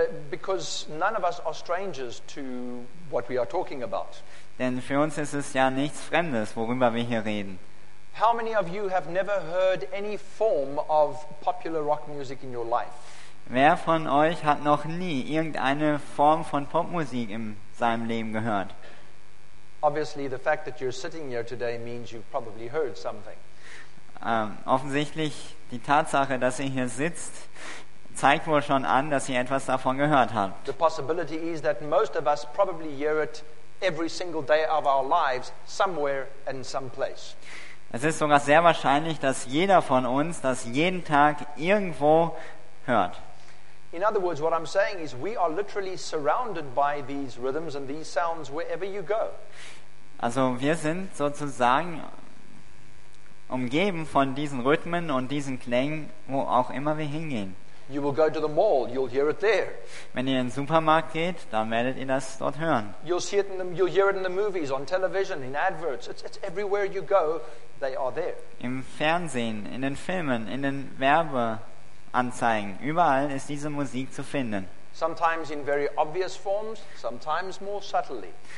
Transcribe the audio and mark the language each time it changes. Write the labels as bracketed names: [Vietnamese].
[English] Because none of us are strangers to what we are talking about. [German] Denn für uns ist es ja nichts Fremdes, worüber wir hier reden. [English] How many of you have never heard any form of popular rock music in your life? [German] Wer von euch hat noch nie irgendeine Form von Popmusik in seinem Leben gehört? [English] Obviously, the fact that you're sitting here today means you've probably heard something. [German] Offensichtlich die Tatsache, dass ihr hier sitzt, zeigt wohl schon an, dass ihr etwas davon gehört habt. [English] The possibility is that most of us probably hear it every single day of our lives, somewhere and some place. [German] Es ist sogar sehr wahrscheinlich, dass jeder von uns das jeden Tag irgendwo hört. [English] In other words, what I'm saying is, we are literally surrounded by these rhythms and these sounds wherever you go. [German] Also, wir sind sozusagen umgeben von diesen Rhythmen und diesen Klängen, wo auch immer wir hingehen. [English] You will go to the mall, you'll hear it there. [German] Wenn ihr in den Supermarkt geht, dann werdet ihr das dort hören. [English] You'll see it in the, you'll hear it in the movies, on television, in adverts. It's everywhere you go, they are there. [German] Im Fernsehen, in den Filmen, in den Werbeanzeigen, überall ist diese Musik zu finden. [English] Sometimes in very obvious forms, sometimes more subtly.